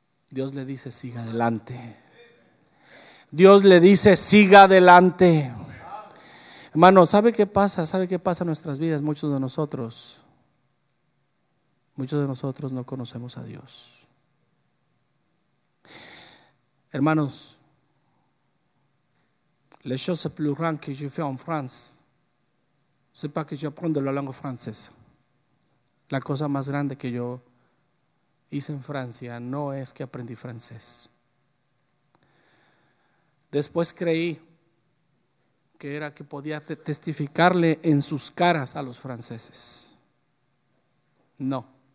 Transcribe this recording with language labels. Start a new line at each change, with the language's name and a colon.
Spanish: Dios le dice: siga adelante. Dios le dice: siga adelante. Hermano, ¿sabe qué pasa? ¿Sabe qué pasa en nuestras vidas? Muchos de nosotros no conocemos a Dios.
French: Hermanos, les choses plus grandes que je fais en France, c'est pas que j'apprends de la langue française.
Spanish: La cosa más grande que yo hice en Francia no es que aprendí francés. Después creí que era que podía testificarle en sus caras a los franceses. No.